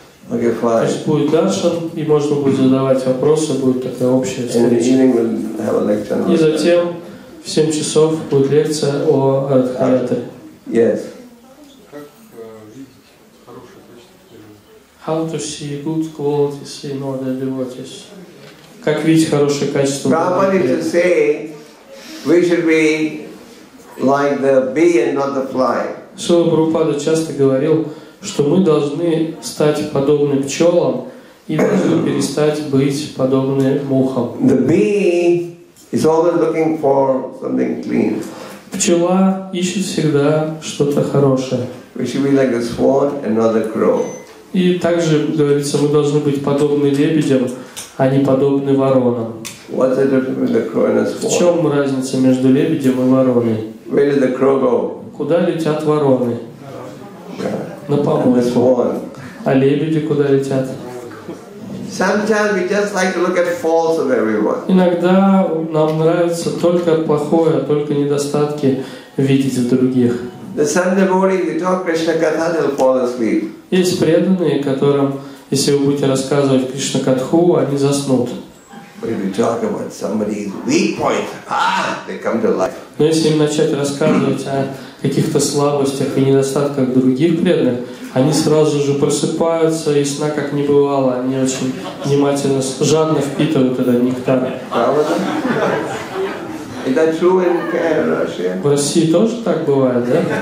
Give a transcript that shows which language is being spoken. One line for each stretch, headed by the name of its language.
English: Okay,
Russian: то есть будет даршан, и можно будет задавать вопросы, будет такая общая встреча. И затем в 7 часов будет лекция о Радхарате.
English: Yes.
Russian: Как видеть хорошие качества?
English: How to see good qualities in other devotees?
Russian: Как видеть хорошие качества?
English: Prabhupada used to say, we should be like the bee and not the fly.
Russian: Шрила Прабхупада часто говорил, что мы должны стать подобны пчелам и должны перестать быть подобны мухам.
English: The bee is always looking for something clean.
Russian: Пчела ищет всегда что-то хорошее.
English: We should be like a swan and not a crow.
Russian: И также говорится, мы должны быть подобны лебедям, а не подобны воронам.
English: What's the difference between the crow and a swan?
Russian: В чем разница между лебедем и вороной?
English: Where did the crow go?
Russian: Куда летят вороны? На помойку. А лебеди куда летят?
English: Sometimes we just like to look at faults of everyone.
Russian: Иногда нам нравится только плохое, только недостатки видеть в других.
English: The some devotees, you talk Krishna katha, they'll fall asleep.
Russian: Есть преданные, которым, если вы будете рассказывать Кришна катху, они заснут.
English: But if you talk about somebody's weak point, they come to life.
Russian: Но если им начать рассказывать о каких-то слабостях и недостатках других преданных, они сразу же просыпаются, и сна как не бывало, они очень внимательно, жадно впитывают этот нектар. В России тоже так бывает, да?